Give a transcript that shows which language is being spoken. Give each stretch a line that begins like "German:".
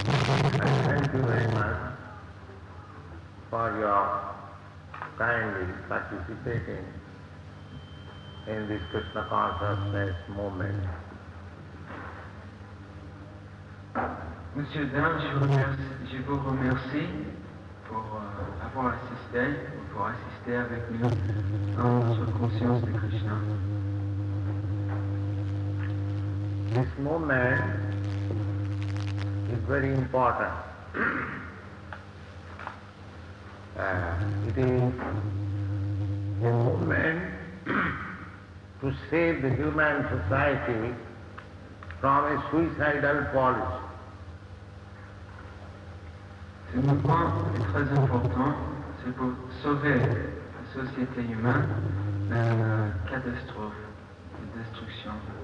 English: I thank you very much for your kindly participating in this Krishna consciousness movement.
French: Monsieur Dain, je vous remercie pour avoir assisté ou pour assister avec nous dans notre conscience de Krishna.
English: This movement is very important. It is a movement to save the human society from a suicidal policy.
French: Ce mouvement est très important, c'est pour sauver la société humaine de la catastrophe, de la destruction.